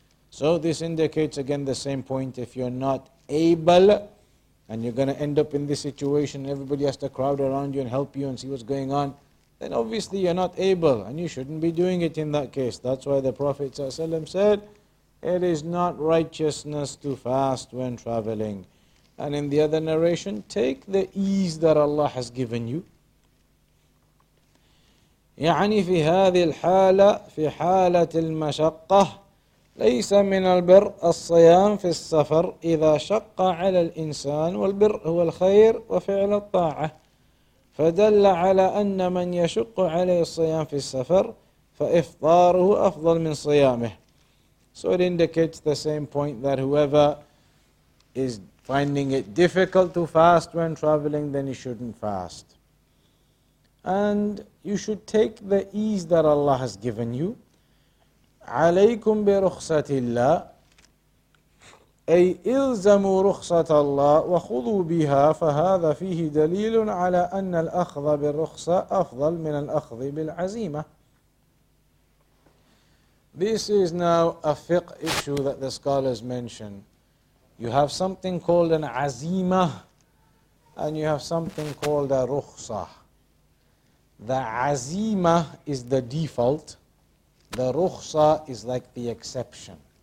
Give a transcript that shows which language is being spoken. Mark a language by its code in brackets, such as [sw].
[en] So this indicates again the same point. If you're not able and you're going to end up in this situation, everybody has to crowd around you and help you and see what's going on, then obviously you're not able and you shouldn't be doing it in that case. That's why the Prophet ﷺ said, it is not righteousness to fast when traveling. And in the other narration, take the ease that Allah has given you. [ar] يعني في هذه الحالة في حالة المشقة ليس من البر الصيام في السفر إذا شق على الإنسان والبر هو الخير وفعل الطاعة فدل على أن من يشق عليه الصيام في السفر فإفطاره أفضل من صيامه. [en] So it indicates the same point that whoever is finding it difficult to fast when traveling, then he shouldn't fast. And you should take the ease that Allah has given you. [ar] عليكم برخصة الله أي إلزموا رخصة الله وخذوا بها فهذا فيه دليل على أن الأخذ بالرخصة أفضل من الأخذ بالعزيمة. [en] This is now a fiqh issue that the scholars mention. You have something called an azima and you have something called a rukhsa. The azima is the default. The rukhsa is like the exception.